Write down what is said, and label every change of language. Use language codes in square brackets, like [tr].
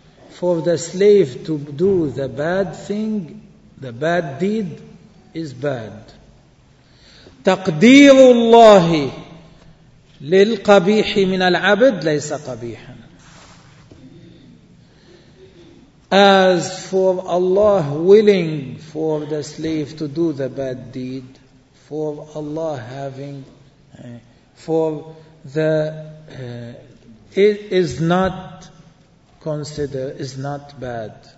[en] For the slave to do the bad thing, the bad deed, is bad. [ar] تقدير الله للقبيح من العبد ليس قبيحا. [en] As for Allah willing for the slave to do the bad deed, for Allah having, for the, it is not considered, is not bad.